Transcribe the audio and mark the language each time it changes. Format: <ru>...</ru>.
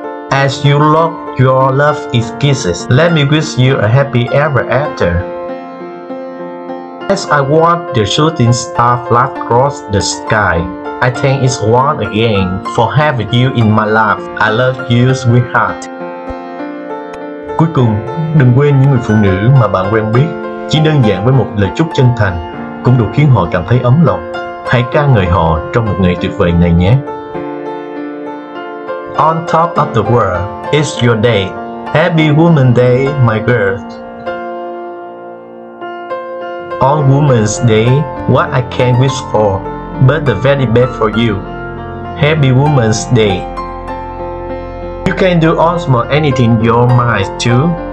<en>As you look, your love is kisses. Let me wish you a happy ever after. As I watch the shooting star fly across the sky, I thank it once again for having you in my life. I love you, sweetheart.</en> <vi>Cuối cùng, đừng quên những người phụ nữ mà bạn quen biết. Chỉ đơn giản với một lời chúc chân thành cũng đủ khiến họ cảm thấy ấm lòng. Hãy ca ngợi họ trong một ngày tuyệt vời này nhé.</vi> <en>On top of the world, it's your day. Happy Woman's Day, my girl. On Woman's Day, what I can't wish for, but the very best for you. Happy Woman's Day. You can do almost anything your mind to.</en>